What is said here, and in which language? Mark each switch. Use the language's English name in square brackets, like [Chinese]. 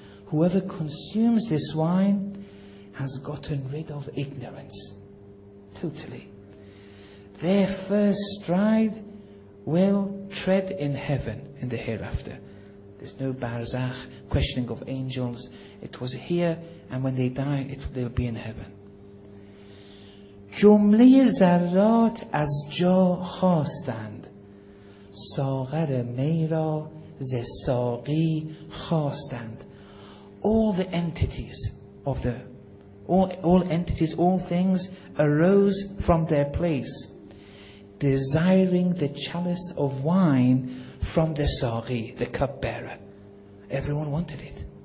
[English] Whoever consumes this wine has gotten rid of ignorance totally. Their first stride will tread in heaven in the hereafter. There's no barzakh, questioning of angels. It was here, and when they die, they'll be in heaven. [Persian] جمله ذرات از جا خواستند ساغر می را ز ساقی خواستند. [English] All the entities of the all things arose from their place, desiring the chalice of wine from the Sagi, the cup bearer. Everyone wanted it.